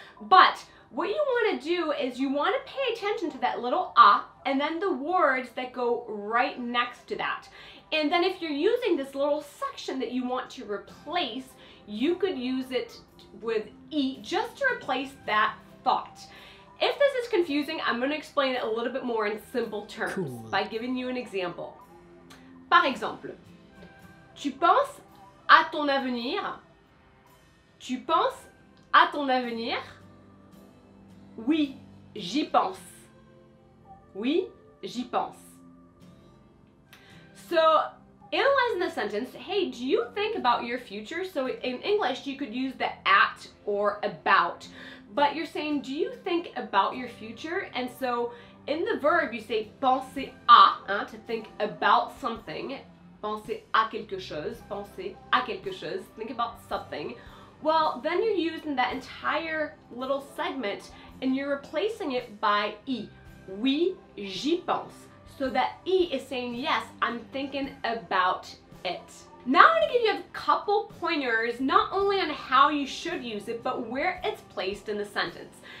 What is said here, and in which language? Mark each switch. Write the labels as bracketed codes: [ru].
[en] But what you wanna do is you wanna pay attention to that little A and then the words that go right next to that. And then if you're using this little section that you want to replace, you could use it with E just to replace that thought. If this is confusing, I'm gonna explain it a little bit more in simple terms, cool, by giving you an example. [fr] Par exemple, tu penses à ton avenir? Tu penses à ton avenir? Oui, j'y pense. Oui, j'y pense. [en] So, analyzing the sentence, hey, do you think about your future? So in English, you could use the at or about, but you're saying, do you think about your future? And so in the verb, you say [fr] penser à, hein, [en] to think about something. [fr] Penser à quelque chose, penser à quelque chose, [en] think about something. Well, then you're using that entire little segment and you're replacing it by I. [fr] Oui, j'y pense. [en] So that I is saying, yes, I'm thinking about it. Now I'm gonna give you a couple pointers, not only on how you should use it, but where it's placed in the sentence.